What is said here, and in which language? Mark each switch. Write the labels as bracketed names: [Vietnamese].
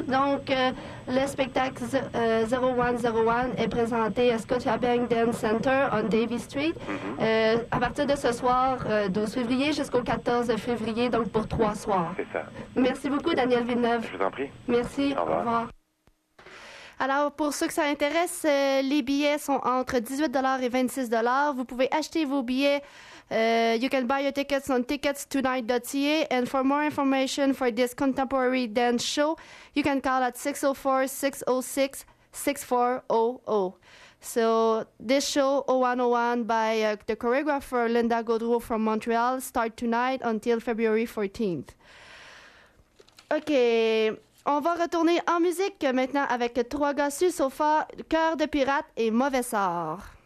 [French] Donc le spectacle 0101 est présenté à Scotiabank Dance Center on Davie Street à partir de ce soir 12 février jusqu'au 14 février, donc pour trois soirs. C'est ça. Merci beaucoup Daniel Villeneuve. Je vous en prie. Merci. Au revoir. Alors, pour ceux que ça intéresse, les billets sont entre 18 et 26. Vous pouvez acheter vos billets. [English] You can buy your tickets on ticketstonight.ca. And for more information for this contemporary dance show, you can call at 604-606-6400. So, this show, 0101, by the choreographer Linda Gaudreau from Montreal, start tonight until February 14th. [French] OK, on va retourner en musique maintenant avec Trois gars sur sofa, Cœur de pirate et Mauvais sort.